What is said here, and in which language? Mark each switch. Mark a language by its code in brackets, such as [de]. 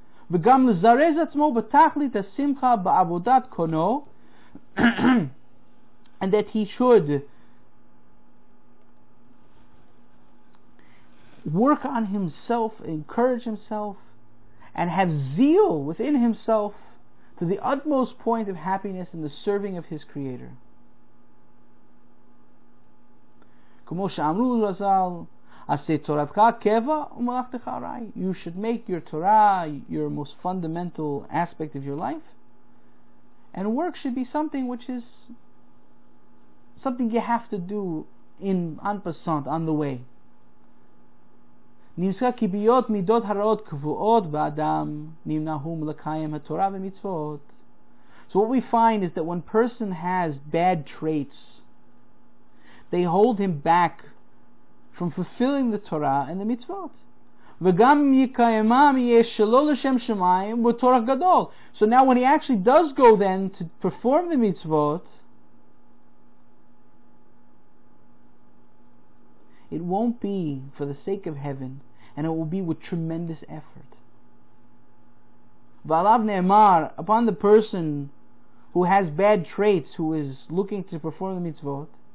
[he] וגם לזרז עצמו בתכלית השמחה בעבודת קונו, [en] and that he should work on himself, encourage himself, and have zeal within himself to the utmost point of happiness in the serving of his Creator. [he] כמו שאמרו רזל, עשה תורתך קבע ומלאכתך ארעי. [en] You should make your Torah your most fundamental aspect of your life, and work should be something which is something you have to do in en passant, on the way. [he] נמצא כי בהיות מידות הרעות קבועות באדם, נמנע הוא מלקיים התורה ומצוות. [en] So what we find is that when person has bad traits, they hold him back from fulfilling the Torah and the mitzvot. [he] וגם יקיימם יהיה שלא לשם שמיים בתורה גדול. [en] So now when he actually does go then to perform the mitzvot, it won't be for the sake of heaven, and it will be with tremendous effort. [he] ועליו נאמר, [en] upon the person who has bad traits, who is looking to perform the mitzvot,